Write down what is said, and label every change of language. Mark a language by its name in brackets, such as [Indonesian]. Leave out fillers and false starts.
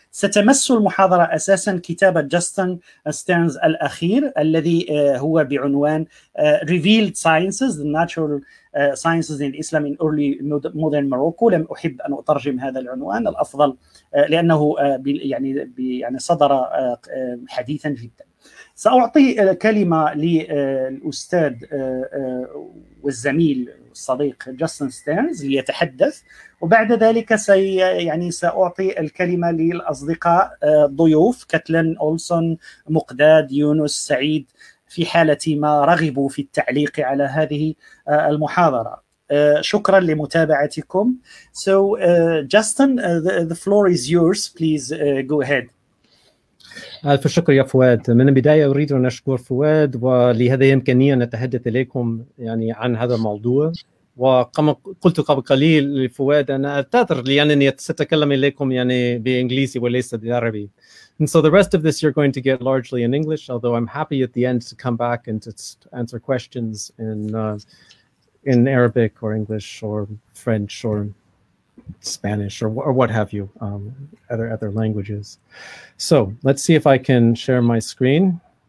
[Arabic] ستمس المحاضرة أساسا كتاب جاستن ستيرنز الأخير الذي هو بعنوان Revealed Sciences, the Natural Sciences in Islam in Early Modern Morocco. لم أحب أن أترجم هذا العنوان, الأفضل لأنه صدر حديثا جدا. سأعطي كلمة للأستاذ والزميل الصديق جاستن ستيرنز ليتحدث, وبعد ذلك سأعطي الكلمة للأصدقاء الضيوف كاتلين أولسون, مقداد, يونس, سعيد, في حالة ما رغبوا في التعليق على هذه المحاضرة. شكرا لمتابعتكم. [English] So Justin, the floor is yours. Please go ahead. [Arabic] ألف شكر يا فؤاد. من البداية أريد أن أشكر فؤاد ولهذا الإمكانية أن أتحدث إليكم يعني عن هذا الموضوع. وكما قلت قبل قليل لفؤاد أنا أعتذر لأنني سأتكلم إليكم يعني بإنجليزي وليس بالعربي. [English] And so the rest of this you're going to get largely in English, although I'm happy at the end to come back and to answer questions in Arabic or English or French or Spanish or what have you, other languages. So let's see if I can share my screen.